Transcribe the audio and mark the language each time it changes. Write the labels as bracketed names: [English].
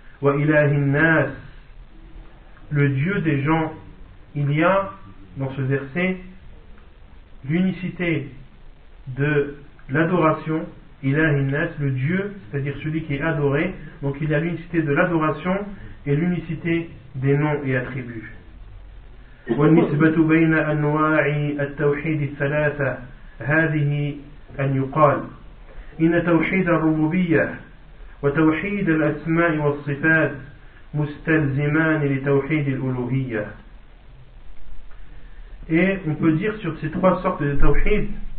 [French] Wa ilahin nas, le Dieu des gens, il y a dans ce verset l'unicité de l'adoration. Ilahin nas, le Dieu, c'est-à-dire celui qui est adoré, donc il y a l'unicité de l'adoration et l'unicité des noms et attributs. [Arabic] والنسبة بين أنواع التوحيد الثلاثة هذه أن يقال إن توحيد الربوبية وتوحيد الأسماء والصفات مستلزمان لتوحيد الألوهية. [French] Et on peut dire sur ces trois sortes de tawhid,